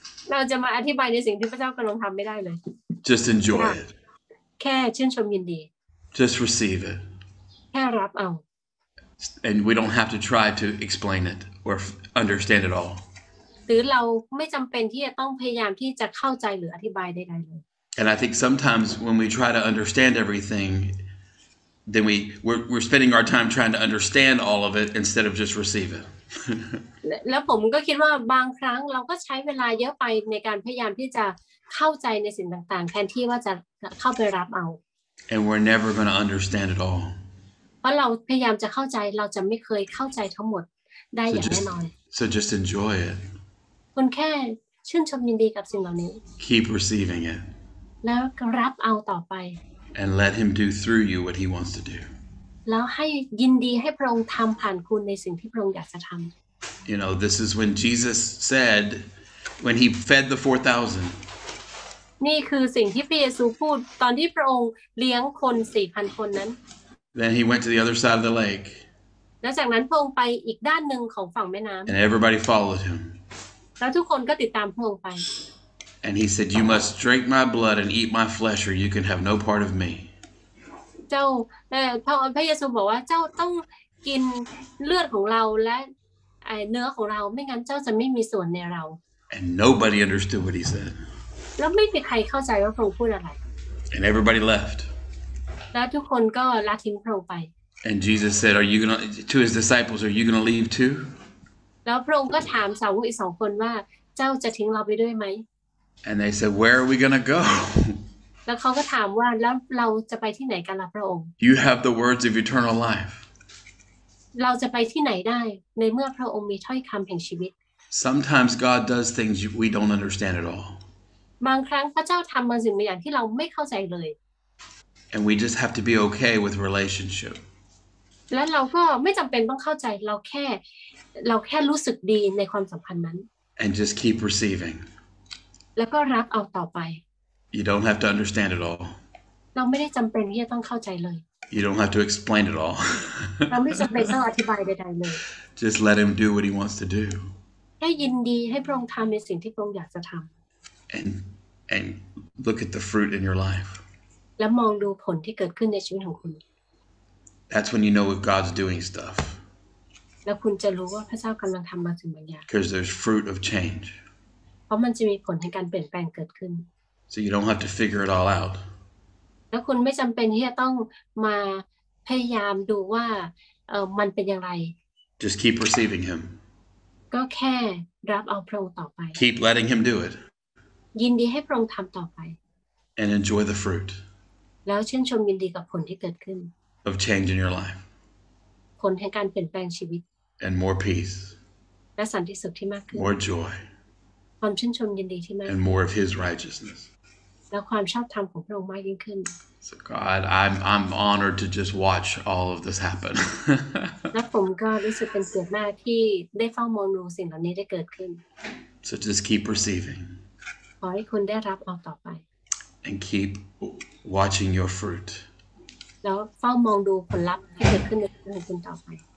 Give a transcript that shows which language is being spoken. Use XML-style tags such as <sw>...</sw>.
<th>เราจะมาอธิบายในสิ่งที่พระเจ้ากำลังทำไม่ได้เลย</th> <en>Just enjoy it</en> <th>แค่ชื่นชมยินดี</th> <en>Just receive it</en> <th>แค่รับเอา</th> <en>And we don't have to try to explain it or understand it all</en> <th>หรือเราไม่จำเป็นที่จะต้องพยายามที่จะเข้าใจหรืออธิบายใดๆเลย</th> <en>And I think sometimes when we try to understand everything then we're spending our time trying to understand all of it instead of just receive it</en> <th>แล้วผมก็คิดว่าบางครั้งเราก็ใช้เวลาเยอะไปในการพยายามที่จะเข้าใจในสิ่งต่างๆแทนที่ว่าจะเข้าไปรับเอา</th> <en>And we're never going to understand it all</en> <th>เพราะเราพยายามจะเข้าใจเราจะไม่เคยเข้าใจทั้งหมดได้อย่างแน่นอน</th> <en>So just enjoy it</en> <th>คุณแค่ชื่นชมยินดีกับสิ่งเหล่านี้</th> <en>Keep receiving it</en> <th>แล้วรับเอาต่อไป</th> <en>And let him do through you what he wants to do</en> <th>แล้วให้ยินดีให้พระองค์ทำผ่านคุณในสิ่งที่พระองค์อยากจะทำ</th> <en>You know this is when Jesus said when he fed the 4,000</en> <th>นี่คือสิ่งที่พระเยซูพูดตอนที่พระองค์เลี้ยงคน 4,000 คนนั้น</th> <en>Then he went to the other side of the lake</en> <th>แล้วจากนั้นพระองค์ไปอีกด้านหนึ่งของฝั่งแม่น้ำ</th> <en>And everybody followed him</en> <th>แล้วทุกคนก็ติดตามพระองค์ไป</th> <en>And he said you must drink my blood and eat my flesh or you can have no part of me</en> <th>เจ้าพระเยซูบอกว่าเจ้าต้องกินเลือดของเราและเนื้อของเราไม่งั้นเจ้าจะไม่มีส่วนในเรา</th> <en>And nobody understood what he said</en> <th>แล้วไม่มีใครเข้าใจว่าพระองค์พูดอะไร</th> <en>And everybody left</en> <th>แล้วทุกคนก็ละทิ้งพระองค์ไป</th> <en>And Jesus said are you going to his disciples are you going to leave too</en> <th>แล้วพระองค์ก็ถามสาวกอีก2คนว่าเจ้าจะทิ้งเราไปด้วยไหม</th> <en>And they said where are we going to go</en> <th>แล้วเขาก็ถามว่าแล้วเราจะไปที่ไหนกันล่ะพระองค์</th> <en>You have the words of eternal life</en> <th>เราจะไปที่ไหนได้ในเมื่อพระองค์มีถ้อยคำแห่งชีวิต</th> <en>Sometimes God does things we don't understand at all</en> <th>บางครั้งพระเจ้าทำบางสิ่งบางอย่างที่เราไม่เข้าใจเลย</th> <en>And we just have to be okay with relationship</en> <th>แล้วเราก็ไม่จำเป็นต้องเข้าใจเราแค่รู้สึกดีในความสัมพันธ์นั้น</th> <en>And just keep receiving</en> <th>แล้วก็รับเอาต่อไป</th> <en>You don't have to understand it all.</en> <th>เราไม่ได้จำเป็นที่จะต้องเข้าใจเลย</th> <en>You don't have to explain it all.</en> <th>เราไม่จำเป็นต้องอธิบายใดๆเลย</th> <en>Just let him do what he wants to do.</en> <th>ให้ยินดีให้พระองค์ทำในสิ่งที่พระองค์อยากจะทำ</th> <en>And look at the fruit in your life.</en> <th>แล้วมองดูผลที่เกิดขึ้นในชีวิตของคุณ</th> <en>That's when you know if God's doing stuff.</en> <th>แล้วคุณจะรู้ว่าพระเจ้ากำลังทำบางสิ่งบางอย่าง</th> <en>Because there's fruit of change.</en> <th>เพราะมันจะมีผลแห่งการเปลี่ยนแปลงเกิดขึ้น</th> <en>So you don't have to figure it all out.</en> <th>แล้วคุณไม่จำเป็นที่จะต้องมาพยายามดูว่ามันเป็นอย่างไร</th> <en>Just keep receiving him.</en> <th>ก็แค่รับเอาพระองค์ต่อไป</th> <en>Keep letting him do it.</en> <th>ยินดีให้พระองค์ทำต่อไป</th> <en>And enjoy the fruit.</en> <th>แล้วชื่นชมยินดีกับผลที่เกิดขึ้น</th> <en>Of change in your life.</en> <th>ผลแห่งการเปลี่ยนแปลงชีวิต</th> <en>And more peace.</en> <th>และสันติสุขที่มากขึ้น</th> <en>More joy.</en> <th>ความชื่นชมยินดีที่มาก</th> <en>and more of his righteousness</en> <th>และความชอบธรรมของพระองค์มากยิ่งขึ้น</th> <en>so God I'm honored to just watch all of this happen</en> <th>และผมก็รู้สึกเป็นเกียรติมากที่ได้เฝ้ามองดูสิ่งเหล่านี้ได้เกิดขึ้น</th> <en>so just keep receiving</en> <th>ขอให้คุณได้รับเอาต่อไป</th> <en>and keep watching your fruit</en> <th>แล้วเฝ้ามองดูผลลัพธ์ที่เกิดขึ้นในชีวิตของคุณต่อไป</th>